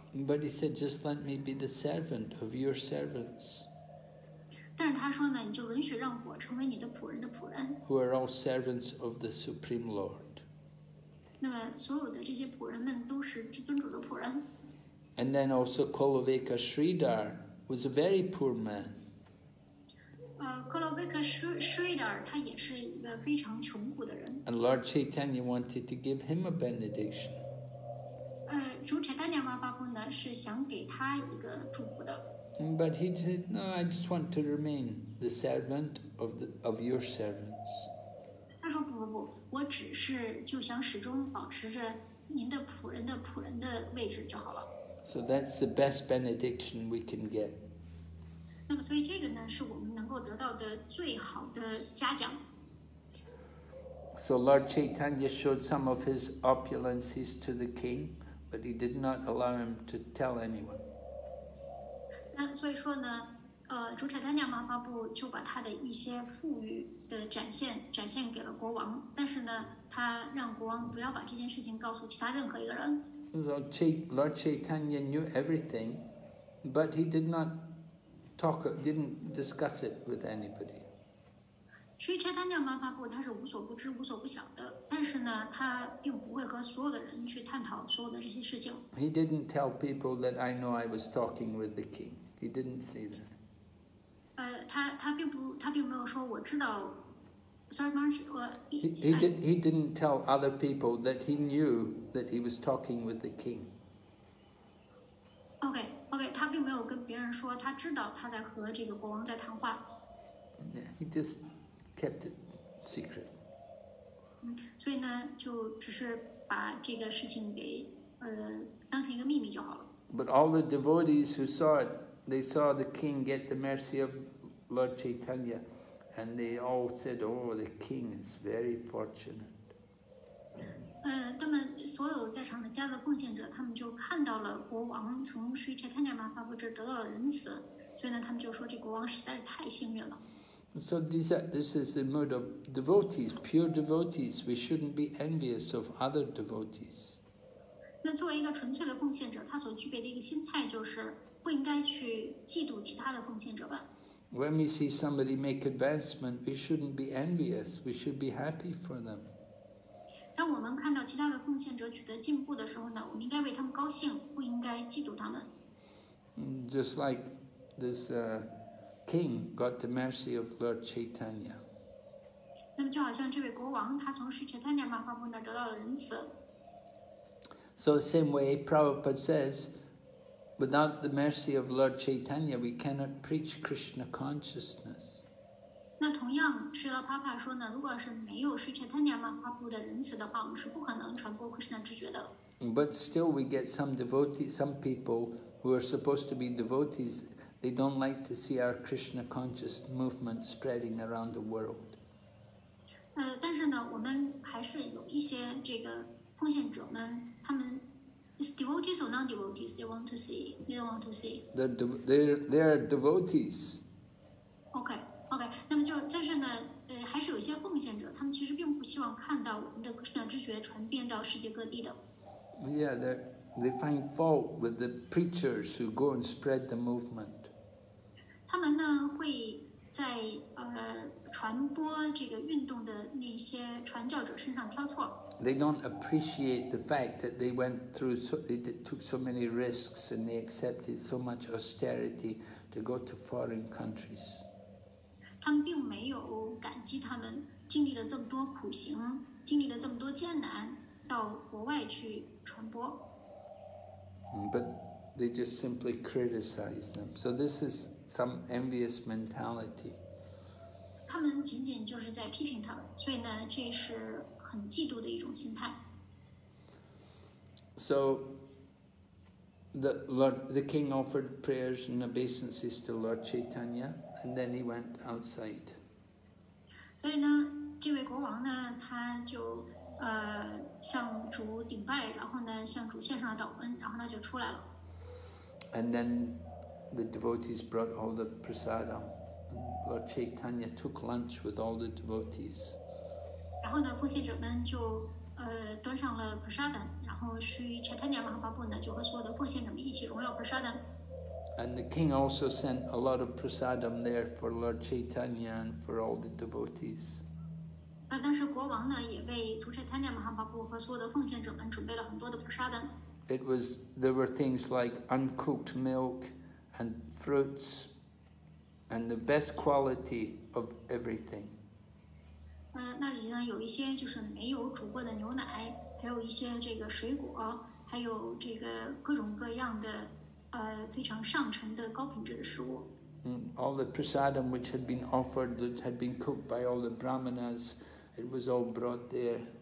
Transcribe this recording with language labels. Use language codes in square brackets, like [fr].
[en] But he said, just let me be the servant of your servants. [zh] 但是他说呢，你就允许让我成为你的仆人的仆人。 [en] Who are all servants of the Supreme Lord. [zh] 那么所有的这些仆人们都是至尊主的仆人。 [en] And then also Koloveka Sridhar was a very poor man. [zh] Koloveka Sridhar, 他也是一个非常穷苦的人。 [en] And Lord Chaitanya wanted to give him a benediction. [zh] 主 Chaitanya Mahaprabhu 呢是想给他一个祝福的。 [en] But he said, no, I just want to remain the servant of your servants. [zh] 他说不不不，我只是就想始终保持着您的仆人的仆人的位置就好了。 [en] So that's the best benediction we can get. [zh] 那么所以这个呢，是我们能够得到的最好的嘉奖。 [en] So Lord Chaitanya showed some of his opulences to the king, but he did not allow him to tell anyone. [zh] 那所以说呢，主查丹尼亚马哈布就把他的一些富裕的展现给了国王，但是呢，他让国王不要把这件事情告诉其他任何一个人。 [en] So Lord Chaitanya knew everything, but he didn't discuss it with anybody. [zh] 所以查丹尼亚马哈布他是无所不知、无所不晓的，但是呢，他并不会和所有的人去探讨所有的这些事情。 [en] He didn't tell people that I know I was talking with the king. He didn't say that. [zh] 他并没有说我知道 [en] he didn't tell other people that he knew that he was talking with the king. [zh] Okay, 他并没有跟别人说他知道他在和这个国王在谈话。 [en] Yeah, he just kept it secret. [zh] 所以呢，就只是把这个事情给当成一个秘密就好了。 [en] But all the devotees who saw it, they saw the king get the mercy of Lord Chaitanya. And they all said, oh, the king is very fortunate. [zh] 他们所有在场的家的奉献者，他们就看到了国王从Sri Chaitanya Mahaprabhu这得到了仁慈，所以呢，他们就说这国王实在是太幸运了。 [en] So this is the mood of devotees, pure devotees. We shouldn't be envious of other devotees. [zh] 那作为一个纯粹的奉献者，他所具备的一个心态就是不应该去嫉妒其他的奉献者吧。 [en] When we see somebody make advancement, we shouldn't be envious. We should be happy for them. [zh] 当我们看到其他的奉献者取得进步的时候呢，我们应该为他们高兴，不应该嫉妒他们。 [en] Just like this king got the mercy of Lord Chaitanya. [zh] 那么就好像这位国王，他从 Sri Chaitanya Mahaprabhu 那儿得到了仁慈。 [en] So same way, Prabhupada says. Without the mercy of Lord Chaitanya, we cannot preach Krishna consciousness. [zh] 那同样，释迦牟尼佛说呢，如果是没有释迦牟尼佛发布的仁慈的话，我们是不可能传播 Krishna 知觉的。 [en] But still, we get some people who are supposed to be devotees. They don't like to see our Krishna conscious movement spreading around the world. [zh] 但是呢，我们还是有一些这个奉献者们，他们。 [en] Devotees or non-devotees, they don't want to see. They're devotees. Okay. [zh] 那么就但是呢，还是有一些奉献者，他们其实并不希望看到我们的Krishna知觉传遍到世界各地的。 [en] Yeah, they find fault with the preachers who go and spread the movement. [zh] 他们呢会在传播这个运动的那些传教者身上挑错。 [en] They don't appreciate the fact that they went through, took so many risks, and they accepted so much austerity to go to foreign countries. [zh] 他们并没有感激他们经历了这么多苦行，经历了这么多艰难，到国外去传播。 [en] But they just simply criticize them. So this is some envious mentality. [zh] 他们仅仅就是在批评他们，所以呢，这是。很嫉妒的一种心态。 [en] So, the king offered prayers and obeisances to Lord Chaitanya, and then he went outside. [zh] 所以呢，这位国王呢，他就向主顶拜，然后呢，向主献上了祷恩，然后他就出来了。 [en] And then the devotees brought all the prasada. Lord Chaitanya took lunch with all the devotees. [zh] 然后呢，奉献者们就端上了 prasadam， 然后 Sri Chaitanya Mahaprabhu 呢就和所有的奉献者们一起荣耀 prasadam。 [en] And the king also sent a lot of prasadam there for Lord Chaitanya and for all the devotees。 [zh] 但是国王呢也为主 Chaitanya Mahaprabhu 和所有的奉献者们准备了很多的 prasadam。 [en] There were things like uncooked milk and fruits and the best quality of everything。 [zh] 那里呢有一些就是没有煮过的牛奶，还有一些这个水果，还有这个各种各样的非常上乘的高品质的食物。 [en] all the prasadam which had been offered, that had been cooked by all the brahmanas, it was all brought there.